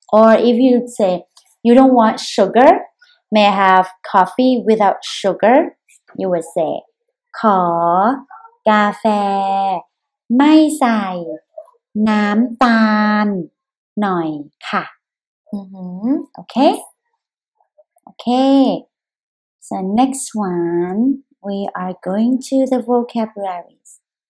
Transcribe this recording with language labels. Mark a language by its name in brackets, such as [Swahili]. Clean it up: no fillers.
[English] Or if you say you don't want sugar, may I have coffee without sugar? You would say, [Thai] ขอกาแฟไม่ใส่น้ำตาลหน่อยค่ะ [English] Okay? Okay. So next one, we are going to the vocabularies.